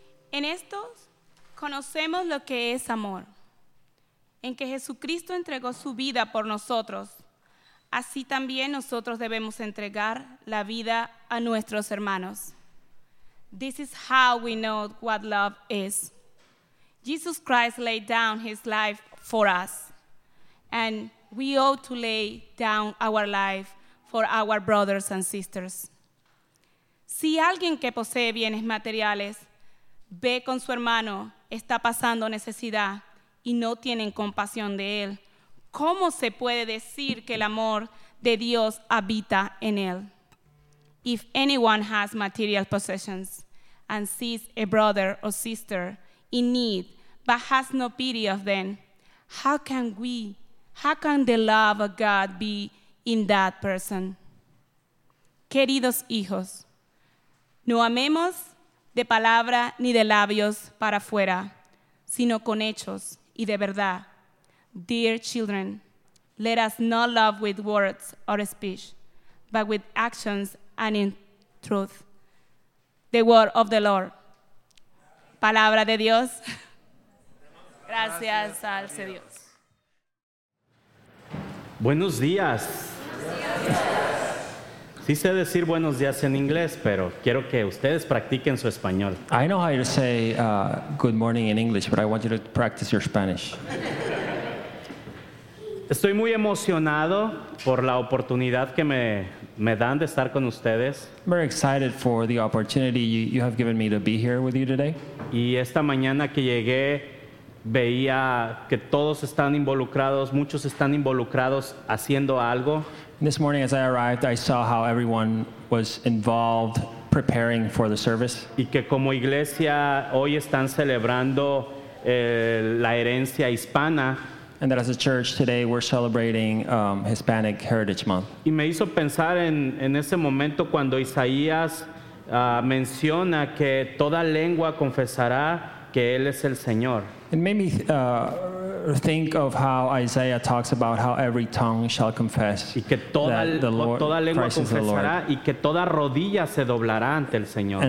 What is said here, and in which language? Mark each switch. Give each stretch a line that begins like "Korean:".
Spanish: En esto conocemos lo que es amor, en que Jesucristo entregó su vida por nosotros. Así también nosotros debemos entregar la vida a nuestros hermanos.
English: This is how we know what love is. Jesus Christ laid down his life for us, and we ought to lay down our life for our brothers and sisters.
Spanish: Si alguien que posee bienes materiales ve con su hermano, está pasando necesidad y no tienen compasión de él, ¿cómo se puede decir que el amor de Dios habita en él?
English: If anyone has material possessions and sees a brother or sister in need but has no pity of them, how can the love of God be in that person?
Spanish: Queridos hijos, no amemos de palabra ni de labios para afuera, sino con hechos y de verdad.
English: Dear children, let us not love with words or speech, but with actions and in truth. The word of the Lord.
Spanish: Palabra de Dios. Gracias al Señor Dios. Buenos días. Sí sé decir buenos días en inglés, pero quiero que ustedes practiquen su español.
English: I know how to say good morning in English, but I want you to practice your Spanish.
Spanish: Estoy muy emocionado por la oportunidad que me dan de estar con ustedes.
English: I'm very excited for the opportunity you have given me to be here with you today.
Spanish: Y esta mañana que llegué, veía que todos están involucrados, muchos están involucrados haciendo algo.
English: This morning as I arrived, I saw how everyone was involved preparing for the service.
Spanish: Y que como iglesia hoy están celebrando la herencia hispana.
English: And that as a church today we're celebrating Hispanic Heritage Month.
Spanish: Y me hizo pensar en ese momento cuando Isaías menciona que toda lengua confesará que él es el Señor.
English: It made me think of how Isaiah talks about how every tongue shall confess y que toda, that the Lord, toda lengua Christ confesará, is the Lord.
Spanish: Y que toda rodilla se doblará ante el Señor.